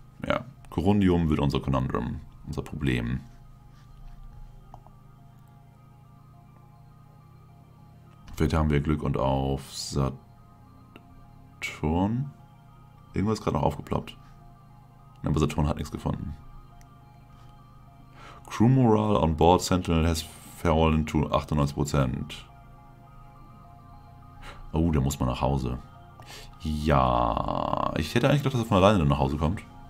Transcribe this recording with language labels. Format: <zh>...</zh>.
<de>Ja, Corundium wird unser Conundrum, unser Problem. Vielleicht haben wir Glück und auf Saturn. Irgendwas ist gerade noch aufgeploppt. Aber Saturn hat nichts gefunden.</de> <en>Crew Morale on board Sentinel has fallen to 98%.</en> <de>Oh, der muss mal nach Hause. Ja, ich hätte eigentlich gedacht, dass er von alleine dann nach Hause kommt.</de>